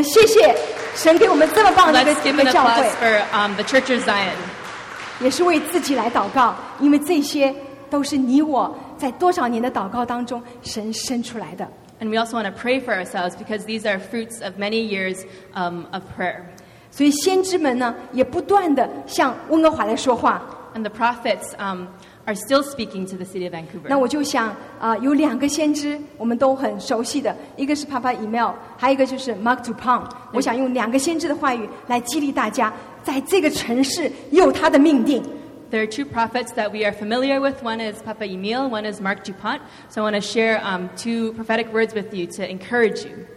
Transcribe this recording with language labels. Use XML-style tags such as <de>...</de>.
<zh>我们给西安教会一个极大的掌声，我们谢谢神给我们这么棒的一个教会。</zh> <en>Let's give an applause for the Church of Zion.</en> <zh>也是为自己来祷告，因为这些都是你我在多少年的祷告当中神生出来的。</zh> <en>And we also want to pray for ourselves because these are fruits of many years of prayer.</en> <zh>所以先知们呢，也不断的向温哥华来说话。</zh> <en>And the prophets are still speaking to the city of Vancouver.</en> <zh>那我就想，有两个先知我们都很熟悉的，一个是 Papa Email， 还有一个就是 Mark Dupont. 我想用两个先知的话语来激励大家，在这个城市有他的命定。</zh> <en>There are two prophets that we are familiar with. One is Papa Emil, one is Mark Dupont. So I want to share two prophetic words with you to encourage you.</en>